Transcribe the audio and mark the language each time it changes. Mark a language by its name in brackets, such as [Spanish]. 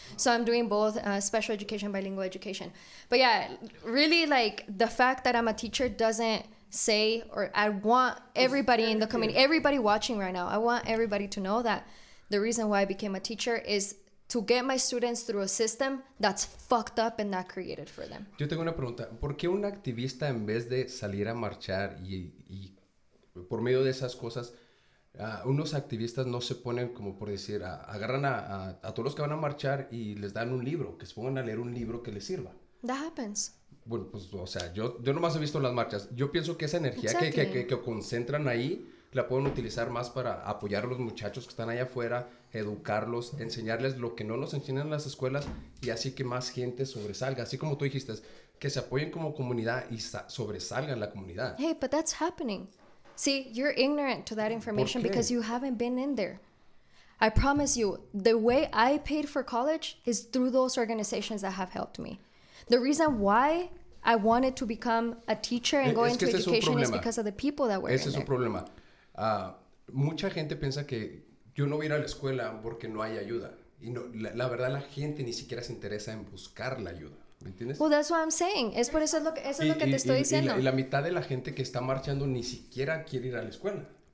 [English] So I'm doing both special education, bilingual education. But yeah, really, like, the fact that I'm a teacher doesn't say, or I want everybody in the community, everybody watching right now, I want everybody to know that the reason why I became a teacher is to get my students through a system that's fucked up and not created for them. [Spanish] Yo tengo una pregunta. ¿Por qué un activista, en vez de salir a marchar y por medio de esas cosas, unos activistas no se ponen como por decir, agarran a todos los que van a marchar y les dan un libro, que se pongan a leer un libro que les sirva? [English] That happens. [Spanish] Bueno, pues, o sea, yo nomás he visto las marchas. Yo pienso que esa energía que concentran ahí la pueden utilizar más para apoyar a los muchachos que están allá afuera, educarlos, enseñarles lo que no nos enseñan en las escuelas y así que más gente sobresalga. Así como tú dijiste, que se apoyen como comunidad y sobresalgan la comunidad. [English] Hey, but that's happening. See, you're ignorant to that information because you haven't been in there. I promise you, the way I paid for college is through those organizations that have helped me. The reason why I wanted to become a teacher and go into education is because of the people that were [Spanish] in there. Ese es un problema. Mucha gente piensa que yo no voy a ir a la escuela porque no hay ayuda. Y no, la verdad, la gente ni siquiera se interesa en buscar la ayuda. ¿Entiendes? [English] Well, that's what I'm saying. [Spanish] Es por eso es lo que te estoy diciendo. Y la mitad de la gente que está marchando ni siquiera quiere ir a la escuela.